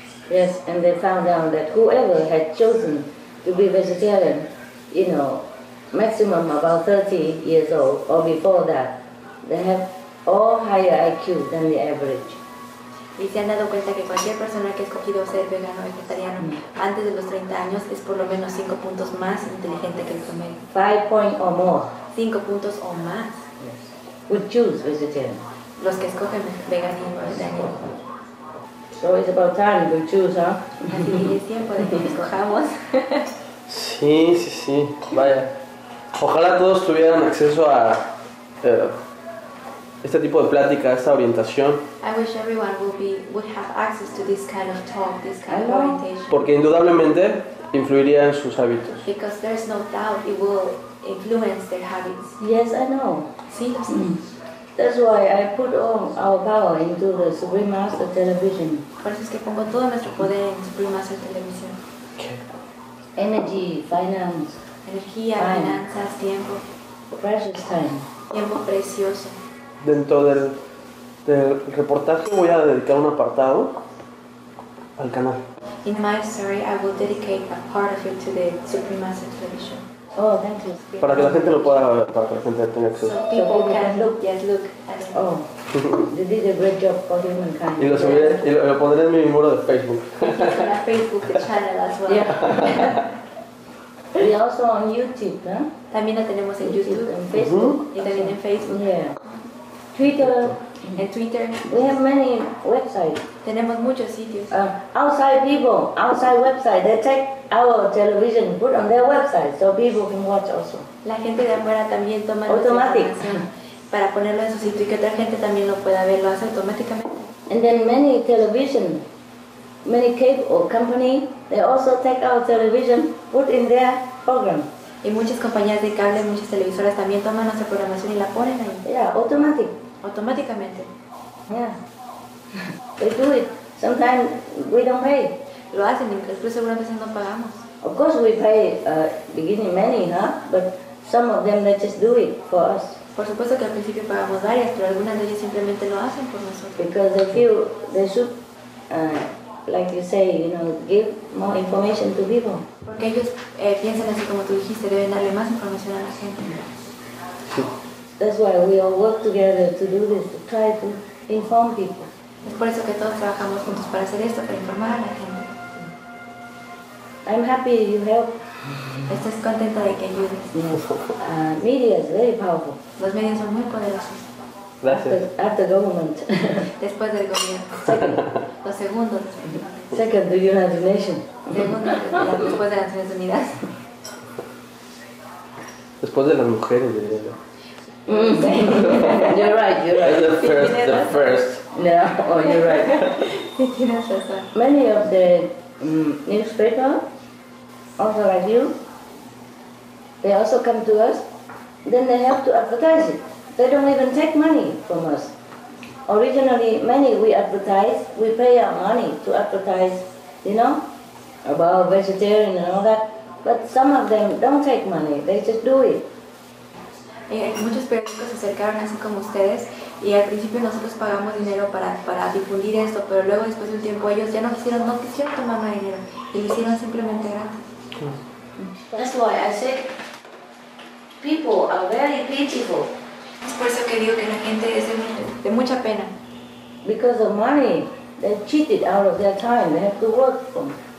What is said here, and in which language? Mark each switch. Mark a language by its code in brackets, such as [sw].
[en] Yes, and they found out that whoever had chosen to be vegetarian, you know, maximum about 30 years old or before that, they have all higher IQ than the average. [es] Y se han dado cuenta que cualquier persona que ha escogido ser vegano o vegetariano antes de los 30 años es por lo menos 5 puntos más inteligente que el promedio. 5 puntos o más. [en] Yes. Would choose vegetarian. [es] Los que escogen veganismo o vegetariano. [en] So it's about time to choose, huh? [es] Así es tiempo de que escojamos. Sí, sí, sí. Vaya. Ojalá todos tuvieran acceso a... este tipo de plática, esta orientación. [en] I wish everyone would have access to this kind of talk, this kind of orientation. [es] Porque indudablemente influiría en sus hábitos. [en] Because there is no doubt it will influence their habits. Yes, I know. [es] Sí, lo sé. [en] That's why I put all our power into the Supreme Master Television. [es] Por eso es que pongo todo nuestro poder en Supreme Master Television. [en] Okay. Energy, finance. [es] Energía, finanzas, tiempo. [en] Precious time. [es] Tiempo precioso. Dentro del reportaje voy a dedicar un apartado al canal. [en] In my story, I will dedicate a part of it to the Supreme Master Television. Oh, thank you. [es] Para que la gente lo pueda ver, para que la gente tenga acceso. [en] So people can look, yes, look. Oh, they did a great job for humankind. [es] Y lo subiré, y lo pondré en mi muro de Facebook. [en] On a Facebook channel as well. Yeah. We also on YouTube, ¿eh? [es] También lo tenemos en YouTube, en Facebook, y también en Facebook. [en] Yeah. Twitter. And Twitter. We have many websites. [es] Tenemos muchos sitios. [en] Outside people, outside website, they take our television, put on their website, so people can watch also. [es] La gente de afuera también toma [en] automatic [es] para ponerlo en su sitio y que otra gente también lo pueda ver, lo hace automáticamente. [en] And then many television, many cable company, they also take our television, put in their program. [es] Y muchas compañías de cable, muchas televisoras también toman nuestra programación y la ponen ahí. [en] Yeah, automatic. [es] Automáticamente. [en] Yeah. They do it. Sometimes we don't pay. [es] Lo hacen, incluso algunas veces no pagamos. [en] Of course we pay beginning many, huh? But some of them they just do it for us. [es] Por supuesto que al principio pagamos varias, pero algunas de ellas simplemente lo hacen por nosotros. [en] Because they feel they should, like you say, you know, give more information to people. [es] Porque ellos piensan así como tú dijiste, deben darle más información a la gente. [en] That's why we all work together to do this, to try to inform people. [es] Es por eso que todos trabajamos juntos para hacer esto, para informar a la gente. [en] I'm happy you helped. [es] Estás contenta de que ayude. [en] Media is very powerful. [es] Los medios son muy poderosos. Gracias. [en] After government. [es] Después del gobierno. [en] Second. [es] Los segundos. [en] Second, the United Nations. [es] Segundo, después de las Naciones Unidas. Después de las mujeres, diría yo. [en] You're right. The first. No, you're right. Many of the newspaper, also like you, they also come to us, then they have to advertise it. They don't even take money from us. Originally, many we advertise, we pay our money to advertise, you know, about vegetarian and all that, but some of them don't take money, they just do it. [es] Muchos periódicos se acercaron así como ustedes y al principio nosotros pagamos dinero para difundir esto, pero luego después de un tiempo ellos ya nos hicieron, no quisieron tomar más dinero y lo hicieron simplemente gratis. [en] That's why I said people are very pitiful. [es] Es por eso que digo que la gente es de mucha pena. [en] Because of money, they cheated out of their time, they have to work from.